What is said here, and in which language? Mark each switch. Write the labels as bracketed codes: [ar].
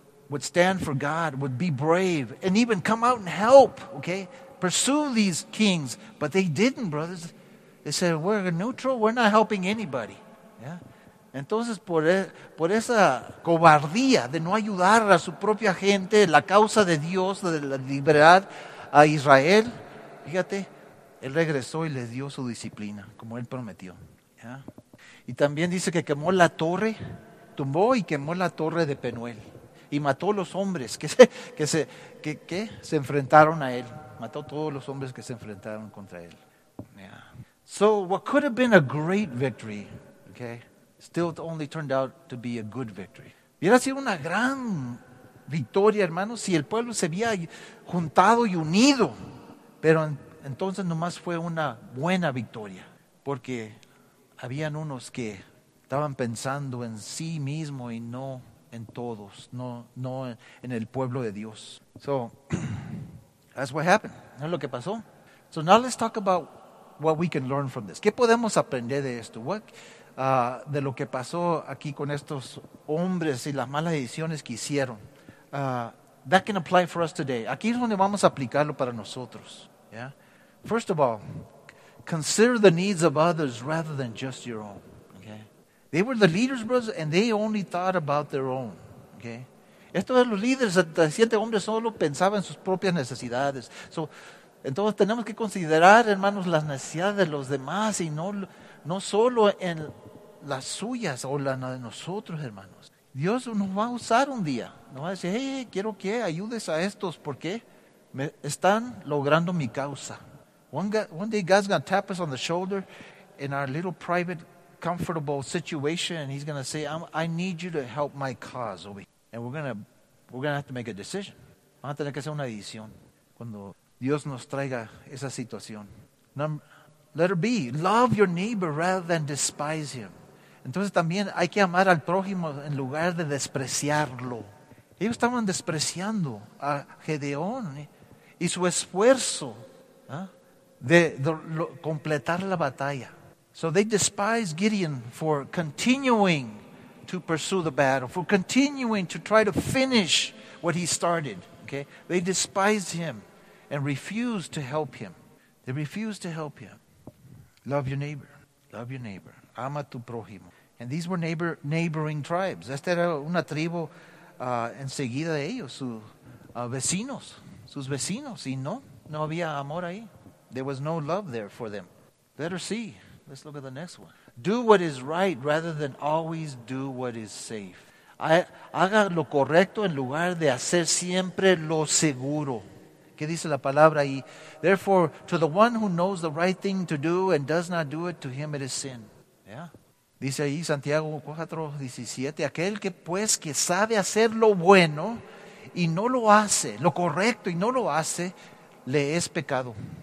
[en] would stand for God, would be brave, and even come out and help, okay? Pursue these kings. But they didn't, brothers. They said, we're neutral, we're not helping anybody. Yeah. [es] Entonces, por esa cobardía de no ayudar a su propia gente, la causa de Dios, de la libertad a Israel, fíjate, él regresó y le dio su disciplina, como él prometió. Yeah. Y también dice que quemó la torre, tumbó y quemó la torre de Penuel. Y mató los hombres que se enfrentaron a él. Mató todos los hombres que se enfrentaron contra él. Yeah. [en] So what could have been a great victory, okay, still only turned out to be a good victory. [es] Hubiera sido una gran victoria, hermanos, si el pueblo se había juntado y unido. Pero entonces nomás fue una buena victoria. Porque habían unos que estaban pensando en sí mismo y no en todos, no en el pueblo de Dios. [en] So, that's what happened. [es] Es lo que pasó. [en] So now let's talk about what we can learn from this. [es] ¿Qué podemos aprender de esto? What, de lo que pasó aquí con estos hombres y las malas decisiones que hicieron. [en] That can apply for us today. [es] Aquí es donde vamos a aplicarlo para nosotros. [en] Yeah? First of all, consider the needs of others rather than just your own. Okay? They were the leaders, brothers, and they only thought about their own. Okay? [es] Estos eran los líderes, 37 hombres solo pensaban en sus propias necesidades. So, entonces tenemos que considerar, hermanos, las necesidades de los demás y no solo en las suyas o las de nosotros, hermanos. Dios nos va a usar un día. Nos va a decir, hey, quiero que ayudes a estos porque me están logrando mi causa. [en] One day God's going to tap us on the shoulder in our little private comfortable situation and he's going to say, I need you to help my cause. Obi. And we're going to have to make a decision. [es] Vamos a tener que hacer una decisión cuando Dios nos traiga esa situación. [en] Letter B, love your neighbor rather than despise him. [es] Entonces también hay que amar al prójimo en lugar de despreciarlo. Ellos estaban despreciando a Gedeón y su esfuerzo, ¿eh? De completar la batalla. [en] So they despised Gideon for continuing to pursue the battle, for continuing to try to finish what he started. Okay? They despised him and refused to help him. They refused to help him. Love your neighbor. Love your neighbor. [es] Ama tu prójimo. [en] And these were neighboring tribes. [es] Esta era una tribu enseguida de ellos, sus vecinos. Y no había amor ahí. [en] There was no love there for them. Letter C. Let's look at the next one. Do what is right rather than always do what is safe. [es] Haga lo correcto en lugar de hacer siempre lo seguro. ¿Qué dice la palabra ahí? [en] Therefore, to the one who knows the right thing to do and does not do it, to him it is sin. [es] Yeah. Dice ahí Santiago 4:17. Aquel que pues que sabe hacer lo bueno y no lo hace, lo correcto y no lo hace, le es pecado.